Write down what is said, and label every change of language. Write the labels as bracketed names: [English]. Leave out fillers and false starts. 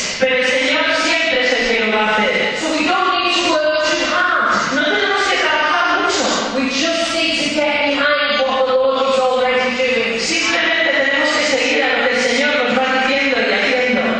[Spanish] Pero el Señor siempre es el que lo va a hacer. [English] So we don't need to work too hard. [Spanish] No tenemos que trabajar mucho. [English] We just need to get behind what the Lord is already doing. [Spanish] Simplemente tenemos que seguir a lo que el Señor nos va diciendo y haciendo.